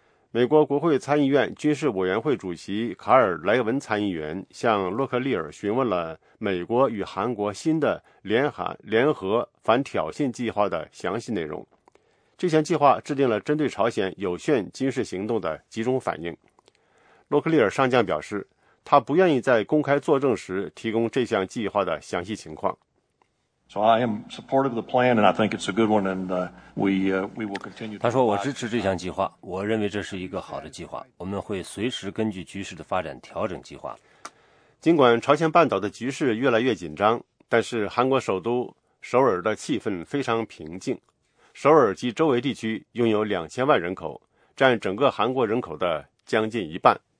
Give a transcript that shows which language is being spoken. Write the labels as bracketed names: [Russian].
[Chinese] 美国国会参议院军事委员会主席卡尔·莱文参议员向洛克利尔询问了美国与韩国新的联合反挑衅计划的详细内容。这项计划制定了针对朝鲜有限军事行动的集中反应。洛克利尔上将表示，他不愿意在公开作证时提供这项计划的详细情况。 [English] So I am supportive of the plan, and I think it's a good one, and we will continue. [Chinese] 他说：“我支持这项计划，我认为这是一个好的计划。我们会随时根据局势的发展调整计划。” 尽管朝鲜半岛的局势越来越紧张，但是韩国首都首尔的气氛非常平静。首尔及周围地区拥有2000万人口，占整个韩国人口的将近一半。